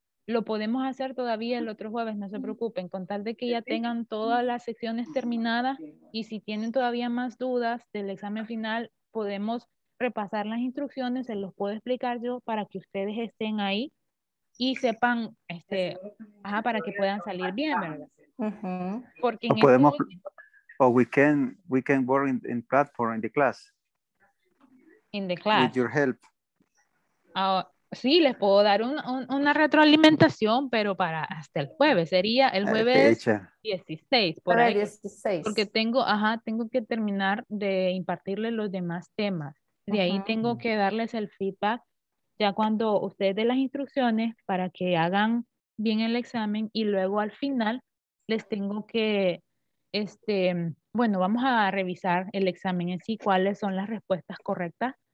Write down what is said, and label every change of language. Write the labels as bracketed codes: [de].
[es] Lo podemos hacer todavía el otro jueves, no se preocupen, con tal de que ya tengan todas las sesiones terminadas y si tienen todavía más dudas del examen final, podemos repasar las instrucciones, se los puedo explicar yo para que ustedes estén ahí y sepan, para que puedan salir bien, ¿verdad? Porque [en] we can work in platform in the class. In the class. With your help. [es] Sí, les puedo dar una retroalimentación, pero para hasta el jueves. Sería el jueves 16. Por ahí, 16. Porque tengo que terminar de impartirle los demás temas. De uh-huh. ahí tengo que darles el feedback ya cuando ustedes den las instrucciones para que hagan bien el examen y luego al final les tengo que, vamos a revisar el examen en sí, cuáles son las respuestas correctas.